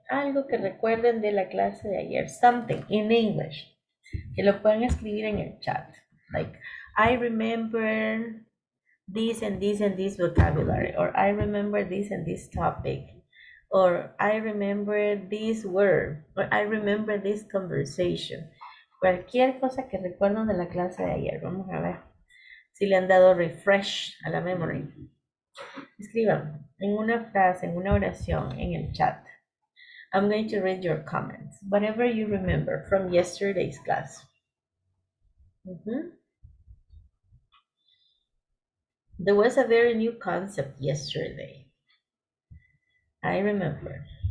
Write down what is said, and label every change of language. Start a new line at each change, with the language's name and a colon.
Spanish: Algo que recuerden de la clase de ayer,
English: something in English,
Spanish: que lo puedan escribir en el chat.
English: Like, I remember this and this and this vocabulary, or I remember this and this topic, or I remember this word, or I remember this conversation.
Spanish: Cualquier cosa que recuerden de la clase de ayer, vamos a ver si le han dado refresh a la memory. Escriban en una frase, en una oración, en el chat.
English: I'm going to read your comments, whatever you remember from yesterday's class. There was a very new concept yesterday. I remember.